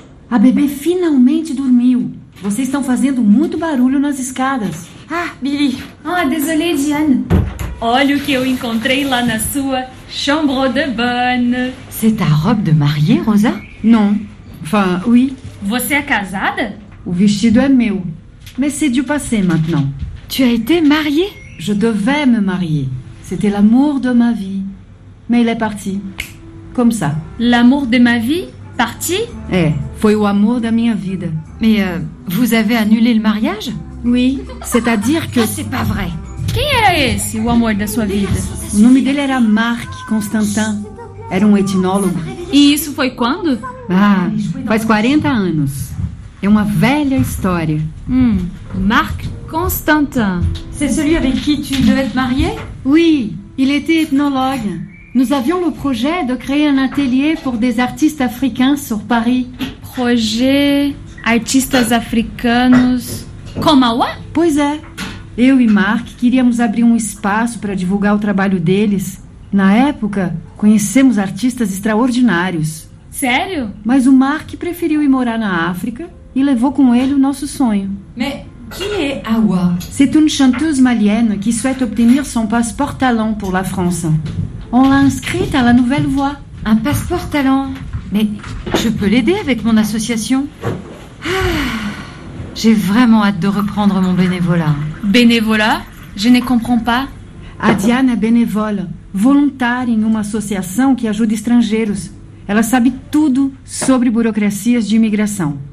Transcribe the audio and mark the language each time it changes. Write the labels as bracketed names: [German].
[Portuguese] A bebê finalmente dormiu. Vocês estão fazendo muito barulho nas escadas. [French] Ah, Billy. Ah, désolée, Diane. [Portuguese] Olha o que eu encontrei lá na sua chambre de bonne. [French] C'est ta robe de mariée, Rosa? Non. Enfin, oui. [Portuguese] Você é casada? O vestido é meu. [French] Mais c'est du passé maintenant. Tu as été mariée? Je devais me marier. C'était l'amour de ma vie. Mais il est parti. Comme ça. L'amour de ma vie? Parti? [Portuguese] É. Foi o amor da minha vida. [French] Mais vous avez annulé le mariage? Oui. C'est-à-dire que... Ah, c'est pas vrai. [Portuguese] Quem era esse, o amor da sua vida? O nome dele era Marc Constantin. Era um etnólogo. E isso foi quando? Ah, faz 40 anos. É uma velha história. Marc Constantin. [French] C'est celui avec qui tu devais te marier? Oui, il était ethnologue. Nous avions le projet de créer un atelier pour des artistes africains sur Paris. [Portuguese] Projet artistas africanos como a Ua? Pois é. Eu e Marc queríamos abrir um espaço para divulgar o trabalho deles. Na época, conhecemos artistas extraordinários. Sério? Mas o Marc preferiu ir morar na África e levou com ele o nosso sonho. [French] Mais qui est Awa? C'est une chanteuse malienne qui souhaite obtenir son passeport talent pour la France. On l'a inscrite à la Nouvelle Voix. Un passeport talent? Mais je peux l'aider avec mon association? Ah, j'ai vraiment hâte de reprendre mon bénévolat. Bénévolat? Je ne comprends pas. [Portuguese] Adiane est bénévole, volontaire em uma associação que ajuda estrangeiros. Ela sabe tudo sobre burocracias de imigração.